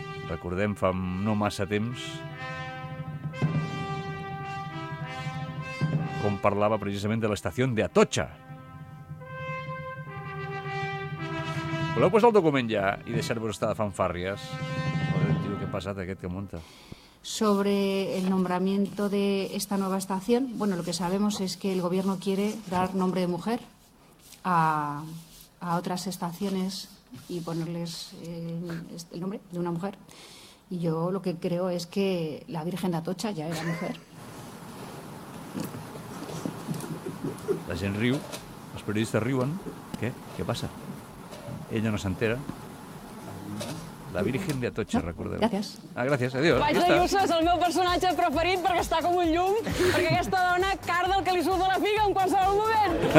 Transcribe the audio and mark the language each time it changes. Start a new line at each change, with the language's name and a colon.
Catalan: Recordem, fa no massa temps... com parlava precisament de l'estació de Atocha. Voleu posar el document ja i deixar-vos estar de fanfàrries? Tio, què ha passat aquest que munta?
Spanish: Sobre el nombramiento de esta nueva estación, bueno, lo que sabemos es que el gobierno quiere dar nombre de mujer a otras estaciones y ponerles el nombre de una mujer. Y yo lo que creo es que la Virgen de Atocha ya era mujer.
Catalan: La gent riu, els periodistes riuen. Què? Què passa? Ella no s'entera. La Virgen de Atocha, recordeu. Gràcies. Gràcies, adiós. Vaig de Ayuso, és el meu personatge preferit perquè està com un llum, perquè aquesta dona carda el que li surt de la figa en qualsevol moment.